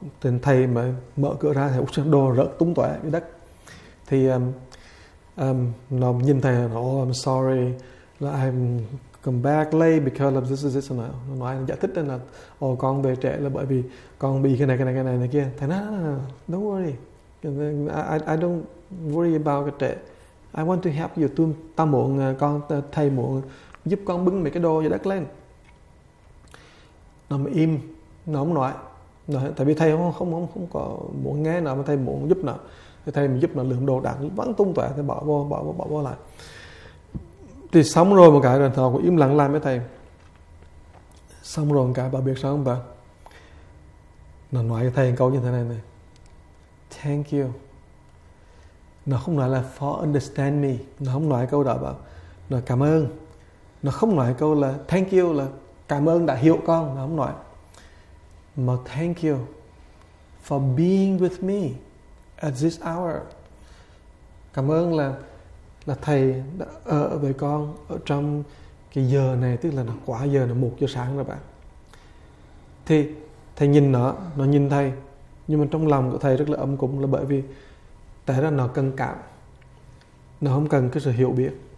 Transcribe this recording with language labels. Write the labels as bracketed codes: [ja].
[vi] Thì thầy mới mở cửa ra, thầy úc đồ rớt tung tóe dưới đất. Thì nó nhìn thầy, nó [en] oh, I'm sorry, I'm come back late because of this. [vi] Nó nói, nó giải thích là oh, con về trễ là bởi vì con bị cái này kia. Thầy nói, [en] don't worry, I don't worry about [vi] cái trễ. [en] I want to help you. [vi] Thầy muốn giúp con bưng mấy cái đồ dưới đất lên. Nó mà im, nó không nói. Tại vì thầy không có muốn nghe nó, mà thầy muốn giúp nó. Thầy mình giúp nó lượm đồ đạc vẫn tung tỏa, thầy bỏ vô lại. Thì xong rồi một cái, rồi thầy cũng im lặng làm với thầy. Xong rồi một cái, bà biết sao không bà? Nó nói với thầy một câu như thế này: [en] thank you. [vi] Nó không nói là [en] for understand me, [vi] nó không nói câu đó bảo, nó cảm ơn. Nó không nói câu là [en] thank you, [vi] là cảm ơn đã hiểu con, nó không nói. Mà [en] thank you for being with me at this hour. [vi] Cảm ơn là thầy đã ở với con ở trong cái giờ này, tức là nó quá giờ, nó 1 giờ sáng rồi bạn. Thì thầy nhìn nó nhìn thầy, nhưng mà trong lòng của thầy rất là ấm cúng, là bởi vì tại ra nó cần cảm, nó không cần cái sự hiểu biết.